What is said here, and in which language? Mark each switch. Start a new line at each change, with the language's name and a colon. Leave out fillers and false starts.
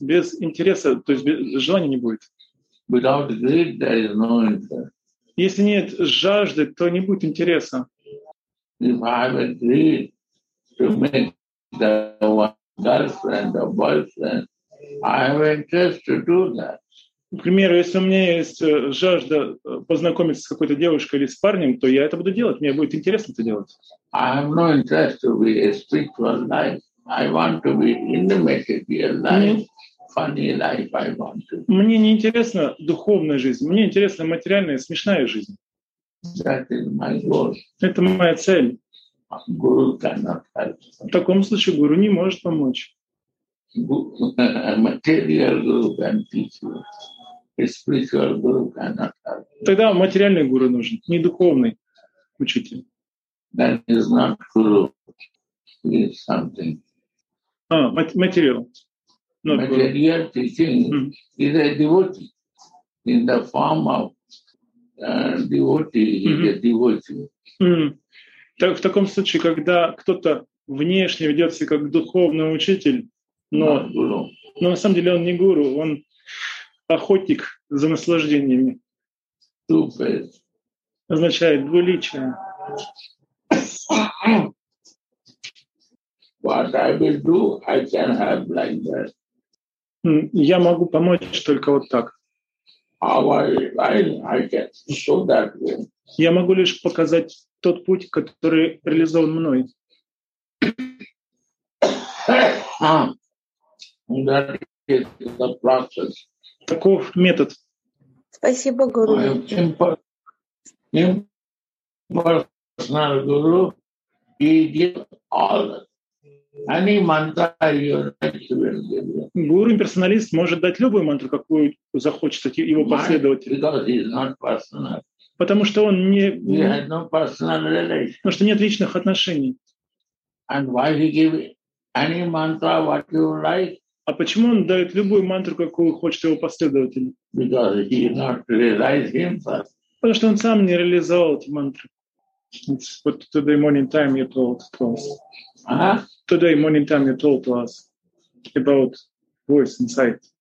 Russian: Без интереса, то есть без желания не будет.
English: Without greed, there is no interest.
Russian: Если нет жажды, то не будет интереса.
English: If I have a greed to make the girlfriend or boyfriend, I have interest to do that.
Russian: К примеру, если у меня есть жажда познакомиться с какой-то девушкой или с парнем, то я это буду делать. Мне будет интересно это делать.
English: I have no interest to be a spiritual life. I want to be in the material life. Funny life I want to.
Russian: Мне не интересна духовная жизнь. Мне интересна материальная, смешная жизнь.
English: That is my goal.
Russian: Это моя цель.
English: Guru cannot help.
Russian: В таком случае гуру не может помочь.
English: Material guru can teach you. A spiritual guru cannot help. Тогда материальный гуру нужен, не духовный учитель. That is not guru. It is something. Material. Not material guru. Teaching is a devotee. In the form of devotee, is a devotee. Mm-hmm.
Russian: Так, в таком случае, когда кто-то внешне ведет себя как духовный учитель, но на самом деле он не гуру, он охотник за наслаждениями.
English: Two-faced.
Russian: Означает двуличие.
English: What I will do, I can help like that.
Russian: Я могу помочь только вот так.
English: How I can show that way.
Russian: Я могу лишь показать тот путь, который реализован мной.
English: That is the process.
Russian: Таков метод. Спасибо, Гуру.
English: Impersonal Guru, he gives all. Any mantra you like.
Russian: Гуру, имперсоналист, может дать любую мантру, какую захочется его последователь.
English: Because he is not personal.
Russian: Потому что он не...
English: He has no personal relation.
Russian: Потому что нет личных отношений.
English: And why he give any mantra what you like?
Russian: А почему он дает любую мантру, какую хочет его последователь?
English: Because he did not realize himself.
Russian: Потому что он сам не реализовал эти мантры.
English: It's what today morning time you told to us. Uh-huh. Today morning time you told to us about voice inside.